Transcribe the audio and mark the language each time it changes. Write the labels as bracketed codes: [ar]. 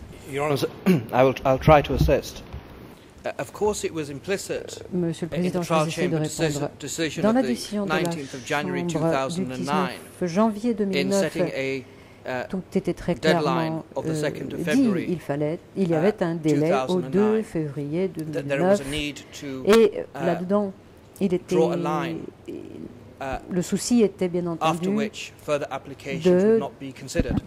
[en] Your Honour, I'll try to assist. Of course, it was implicit in the trial chamber decision of the 19th of January 2009 in setting a [fr] tout était très clairement dit. Il fallait, il y avait un délai au 2 février 2009 et là-dedans. Il était, [en] draw a line, [fr] le souci était bien entendu [en] after which further applications de, would not be considered.